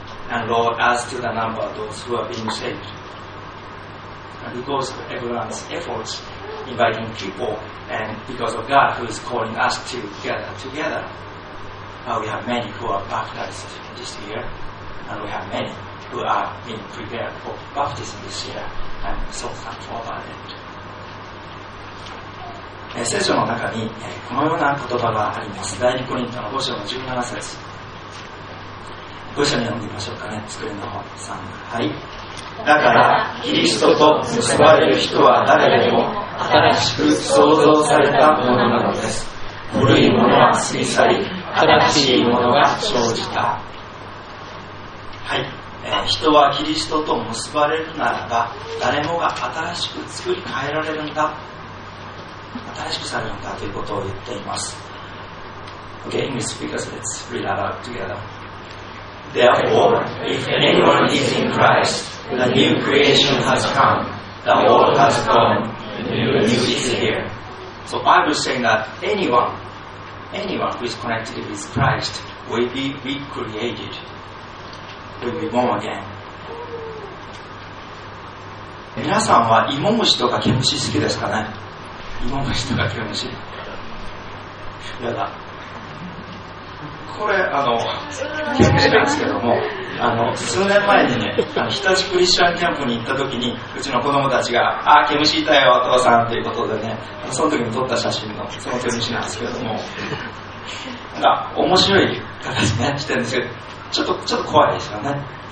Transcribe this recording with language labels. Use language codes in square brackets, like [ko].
[en] And Lord adds to the number of those who are being saved. And because of everyone's efforts inviting people, and because of God who is calling us to gather together. We have many who are baptized this year, and we have many who are being prepared for baptism this year. I'm so thankful about it. [ja] 聖書の中にこのような言葉があります。第二コリントの5章の17節。 5章に読んでみましょうかね。作りの方さん、はい。だからキリストと結ばれる人は誰でも新しく創造されたものなのです。古いものは過ぎ去り、新しいものが生じた。はい、人はキリストと結ばれるならば、誰もが新しく作り変えられるんだ、新しくされるんだということを言っています。 [en] OK, English speakers, let's read that out together. Therefore, if anyone is in Christ, the new creation has come, the old has gone, who is here. So Bible is saying that anyone who is connected with Christ will be recreated, will be born again. [ja] 皆さんは芋虫とか毛虫好きですかね。芋虫とか毛虫やだ。これ毛虫なんですけども、数年前にね、日立クリスチャンキャンプに行った時に、うちの子供たちが、あ、毛虫いたよお父さんということでね、その時に撮った写真のその毛虫なんですけども、なんか面白い形ねしてるんですけど、ちょっと怖いですよね。